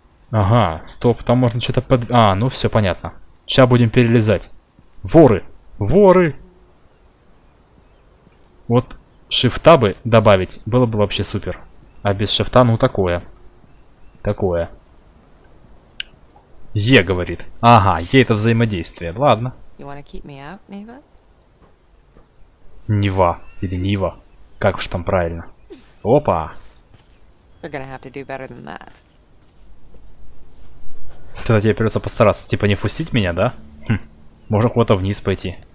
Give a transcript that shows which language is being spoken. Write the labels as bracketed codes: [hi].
[ru] Ага, стоп, там можно что-то под... А, ну все, понятно. Сейчас будем перелезать. Воры! Воры! Вот шифта бы добавить, было бы вообще супер. А без шифта, ну такое. Такое. Е говорит. Ага, Е это взаимодействие. Ладно. [en] You wanna keep me out, Neva? [ru] Нева. Или Нива. Как уж там правильно. Опа! [en] We're gonna have to do better than that. [ru] Тогда тебе придется постараться, типа, не впустить меня, да? Хм. Можно куда-то вниз пойти.